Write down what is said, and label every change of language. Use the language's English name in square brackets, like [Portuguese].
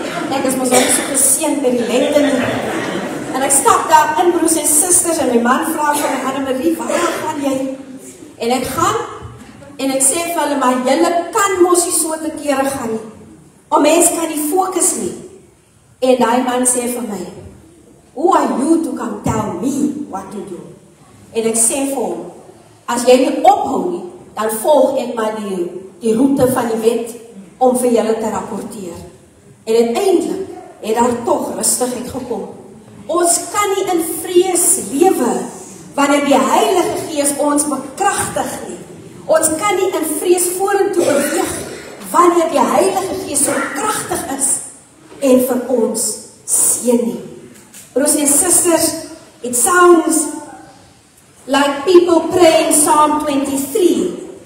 [Afrikaans] Ek is mos ook so geseën met die lengte. En ek stap daar in, broers en susters, en my man vra vir my, Annemarie, waar gaan jy? En ek gaan, en ek sê vir hulle, maar julle kan mos nie so te kere gaan nie. Om mens kan nie fokus nie. En die man sê vir my, [English] "Who are you to come tell me what to do?" [Afrikaans] En ek sê vir hom, "As jy nie ophou nie, dan volg ek maar die roete van die wet om vir julle te rapporteer." En uiteindelik het daar tog rustigheid gekom. Ons kan nie in vrees lewe wanneer die Heilige Gees ons bekragtig nie. Ons kan nie in vrees vorentoe beweeg wanneer die Heilige Gees so kragtig is en vir ons seën nie. Broers en susters, [English] it sounds like people praying Psalm 23.